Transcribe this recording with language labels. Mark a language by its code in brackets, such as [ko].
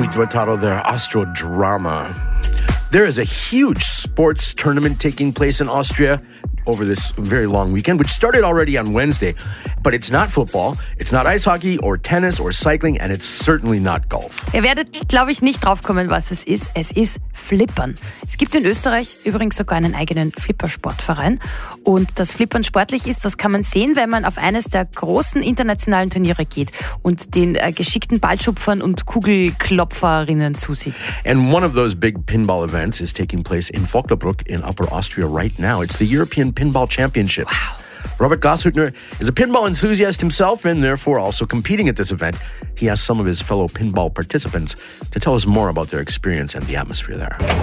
[en] Title there, Austro Drama. There is a huge sports tournament taking place in Austria over this very long weekend, which started already on Wednesday. But it's not football, it's not ice hockey or tennis or cycling, and it's certainly not golf. [de] Ihr werdet, glaube ich, nicht drauf kommen, was es ist. Es ist Flippern. Es gibt in Österreich übrigens sogar einen eigenen Flippersportverein. Und dass Flippern sportlich ist, das kann man sehen, wenn man auf eines der großen internationalen Turniere geht und den geschickten Ballschupfern und Kugelklopferinnen zusieht. [en] And one of those big pinball events is taking place in Vogtlebruck in Upper Austria right now. It's the European Pinball Championship. Wow. Robert Glashütner is a pinball enthusiast himself and therefore also competing at this event. He asked some of his fellow pinball participants to tell us more about their experience and the atmosphere there.